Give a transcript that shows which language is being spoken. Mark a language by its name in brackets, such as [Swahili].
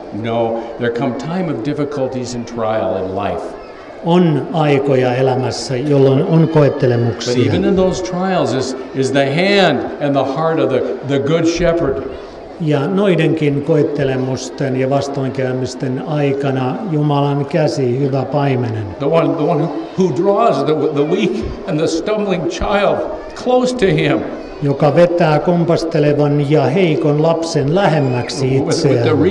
[English] No, there come time of difficulties and trial in life. [Finnish] On aikoja elämässä, jolloin on koettelemuksia. [English] But even in those trials is the hand and the heart of the good shepherd. [Finnish] Ja noidenkin koettelemusten ja vastoinkäymisten aikana Jumalan käsi, hyvä paimenen. [English] The one who draws the weak and the stumbling child close to him. [Finnish] Joka vetää kompastelevan ja heikon lapsen lähemmäksi itseään.